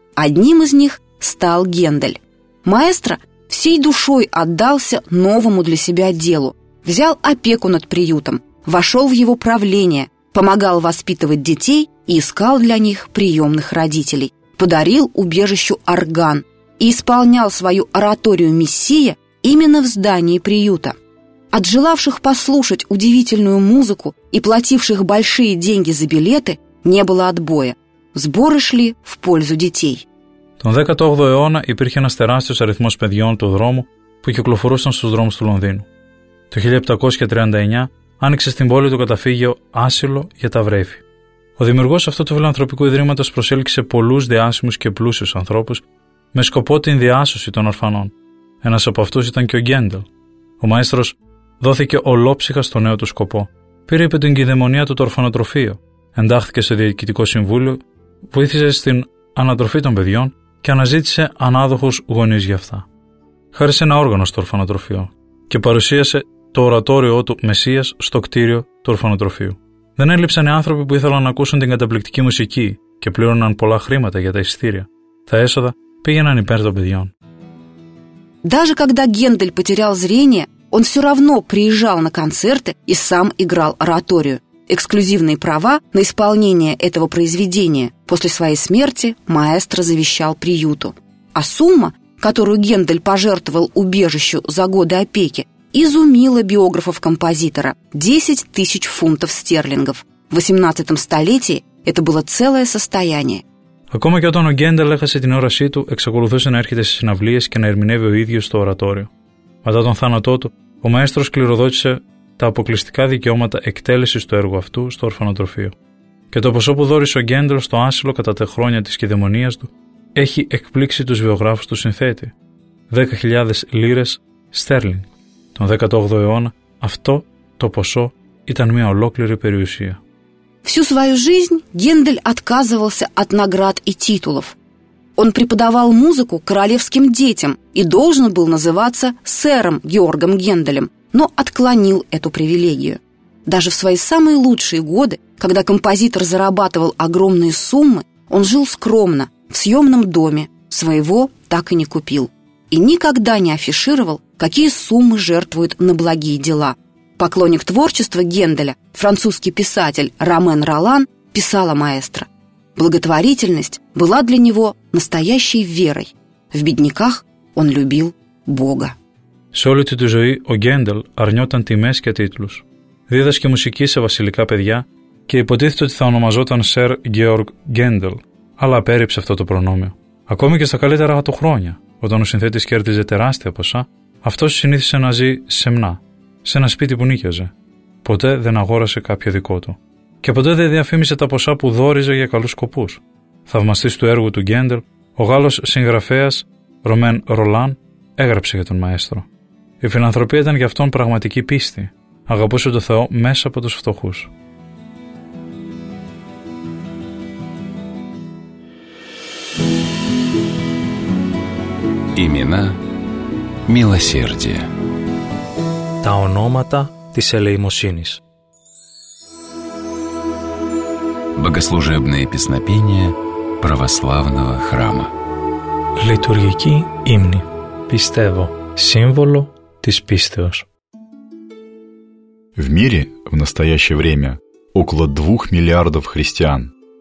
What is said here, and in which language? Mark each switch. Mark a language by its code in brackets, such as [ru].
[ru] Одним из них стал Гендель. Маэстро всей душой отдался новому для себя делу, взял опеку над приютом, вошел в его правление, помогал воспитывать детей и искал для них приемных родителей, подарил убежищу орган и исполнял свою ораторию «Мессия» именно в здании приюта. От желавших послушать удивительную музыку и плативших большие деньги за билеты не было отбоя. Сборы шли в пользу детей. [el] Τον 18ο αιώνα υπήρχε ένας τεράστιος αριθμός παιδιών του δρόμου που κυκλοφορούσαν στους δρόμους του Λονδίνου. Το 1739 άνοιξε στην πόλη του καταφύγιο άσυλο για τα βρέφη. Ο δημιουργός αυτού του φιλανθρωπικού ιδρύματος προσέλκυσε πολλούς διάσημους και πλούσιους ανθρώπους με σκοπό την διάσωση των ορφανών. Ένας από αυτούς ήταν και ο Γκέντελ. Ο μαέστρος δόθηκε ολόψυχα στο νέο του σκοπό. Πήρε υπό την κηδεμονία του το ορφανοτροφείο, εντάχθηκε στο διοικητικό συμβούλιο, βοήθησε στην ανατροφή των παιδιών και αναζήτησε ανάδοχους γονείς για αυτά. Χάρισε ένα όργανο στο ορφανοτροφείο και παρουσίασε το ορατόριό του «Μεσσίας» στο κτίριο του ορφανοτροφείου. Δεν έλειψαν οι άνθρωποι που ήθελαν να ακούσουν την καταπληκτική μουσική και πλήρωναν πολλά χρήματα για τα εισιτήρια. Τα έσοδα πήγαιναν υπέρ των παιδιών. [ru] Даже когда Гендель потерял зрение, он все равно приезжал на концерты и сам играл ораторию. Эксклюзивные права на исполнение этого произведения после своей смерти маэстро завещал приюту. А сумма, которую Гендель пожертвовал убежищу за годы опеки, изумила биографов композитора – 10 тысяч фунтов стерлингов. В 18-м столетии это было целое состояние. [el] Ακόμα και όταν ο Γκέντελ έχασε την όρασή του, εξακολουθούσε να έρχεται σε συναυλίες και να ερμηνεύει ο ίδιος στο ορατόριο. Μετά τον θάνατό του, ο μαέστρος κληροδότησε τα αποκλειστικά δικαιώματα εκτέλεσης του έργου αυτού στο ορφανοτροφείο. Και το ποσό που δώρησε ο Γκέντελ στο άσυλο κατά τα χρόνια της κηδεμονίας του έχει εκπλήξει τους βιογράφους του συνθέτη. 10.000 λίρες στέρλινγκ. τον 18ο αιώνα, αυτό το ποσό ήταν μια ολόκληρη περιουσία. [ru] Всю свою жизнь Гендель отказывался от наград и титулов. Он преподавал музыку королевским детям и должен был называться сэром Георгом Генделем, но отклонил эту привилегию. Даже в свои самые лучшие годы, когда композитор зарабатывал огромные суммы, он жил скромно, в съемном доме, своего так и не купил. И никогда не афишировал, какие суммы жертвует на благие дела. Поклонник творчества Генделя, французский писатель Ромен Ролан, писал о маэстро. Благотворительность была для него настоящей верой. В бедняках он любил Бога. [el] Σε όλη τη ζωή ο Γκέντελ αρνιόταν τιμές και τίτλους. Δίδασκε μουσική σε βασιλικά παιδιά και υποτίθεται ότι θα ονομαζόταν Σερ Γκέωργ Γκέντελ, αλλά απέρριψε αυτό το προνόμιο. Ακόμη και στα καλύτερα του χρόνια, όταν ο συνθέτης κέρδιζε τεράστια ποσά, αυτός συνήθισε να ζει σεμνά, σε ένα σπίτι που νίκιαζε. Ποτέ δεν αγόρασε κάποιο δικό του. Και ποτέ δεν διαφήμισε τα ποσά που δόριζε για καλούς σκοπούς. Θαυμαστής του έργου του Γκέντελ, ο Γάλλος συγγραφέας Ρομέν Ρολάν έγραψε για τον μαέστρο. Η φιλανθρωπία ήταν για αυτόν πραγματική πίστη. Αγαπούσε τον Θεό μέσα από τους φτωχούς. [ru] Имена милосердия. [el] Τα ονόματα της ελεημοσύνης. [ru] Богослужебные песнопения православного храма. [el] Λειτουργική ύμνη. Πιστεύω. Σύμβολο της πίστεως. [ru] В мире в настоящее время около 2 миллиардов христиан.